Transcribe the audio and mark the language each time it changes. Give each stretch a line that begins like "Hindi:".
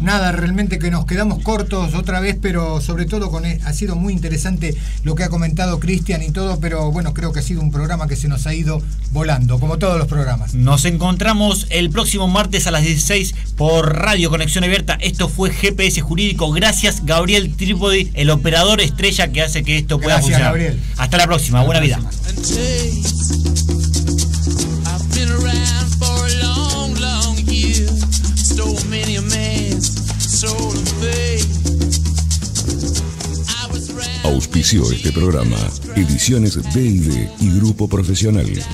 Spanish: Nada, realmente que nos quedamos cortos otra vez, pero sobre todo ha sido muy interesante lo que ha comentado Cristian y todo, pero bueno, creo que ha sido un programa que se nos ha ido volando, como todos los programas. Nos encontramos el próximo martes a las 16 por Radio Conexión Abierta. Esto fue GPS Jurídico. Gracias, Gabriel Trípodi, el operador estrella que hace que esto pueda funcionar. Gracias, Gabriel. Hasta la próxima. Buena vida.
English: I've been around for a long, long year. Stole many a man's soul and faith.
Spanish: Auspició este programa Ediciones D&D y Grupo Profesional.